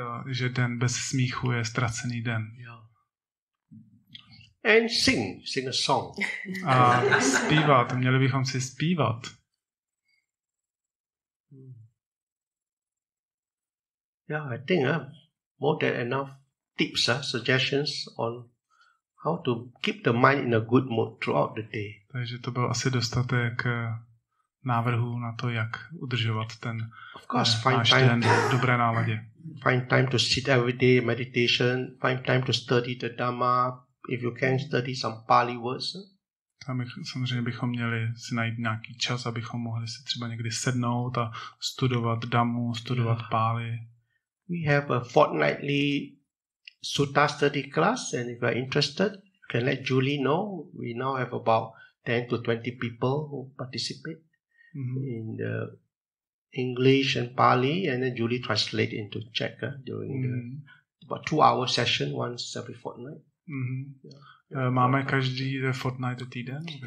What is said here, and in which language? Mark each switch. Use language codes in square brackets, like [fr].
[cs] Že den bez smíchu je ztracený den. [en] And sing a song. [cs] A zpívat, měli bychom si zpívat. [en] Yeah, I think more than enough tips, suggestions on how to keep the mind in a good mood throughout the day. [cs] Takže to byl asi dostatek návrhů na to, jak udržovat ten náš den v dobré náladě. [en] Find time to sit every day, meditation, find time to study the Dhamma, if you can study some Pali words. [cs] Samozřejmě bychom měli si najít nějaký čas, abychom mohli si třeba někdy sednout a studovat Dhammu, studovat Pali. [en] We have a fortnightly Sutta study class, and if you are interested, you can let Julie know. We now have about 10 to 20 people who participate. In the English and Pali, and then Julie translate into Czech during the about 2-hour session once every fortnight. Yeah. [cs] Máme každý fortnight týden?